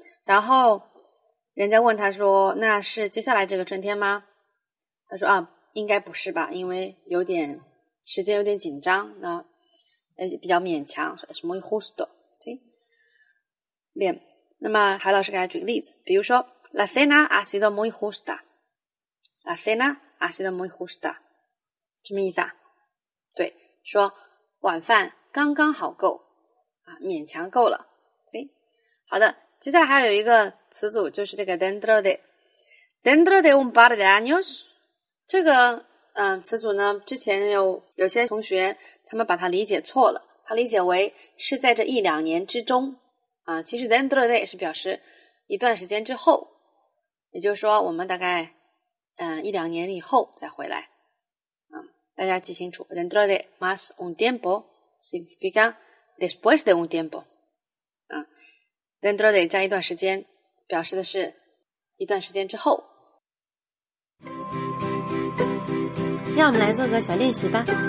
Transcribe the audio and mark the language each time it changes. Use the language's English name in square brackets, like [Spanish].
[Chinese] 然后人家问他说：“那是接下来这个春天吗？” 他说：“啊，应该不是吧，因为有点时间有点紧张，那比较勉强。” 说什么 justo， 行。那么海老师给他举个例子，比如说 ： [Spanish] “La cena ha sido muy justa。 ”“La cena ha sido muy justa。” [Chinese] 什么意思啊？对，说晚饭刚刚好够啊，勉强够了。行，好的。接下来还有一个词组，就是这个 dentro de。 dentro de un par de años， 这个词组呢，之前有些同学他们把它理解错了，他理解为是在这一两年之中啊。其实 dentro de 是表示一段时间之后，也就是说我们大概一两年以后再回来。大家记清楚 [Spanish] ，dentro de más un tiempo significa después de un tiempo。 [Chinese] dentro de 加一段时间，表示的是一段时间之后。让我们来做个小练习吧。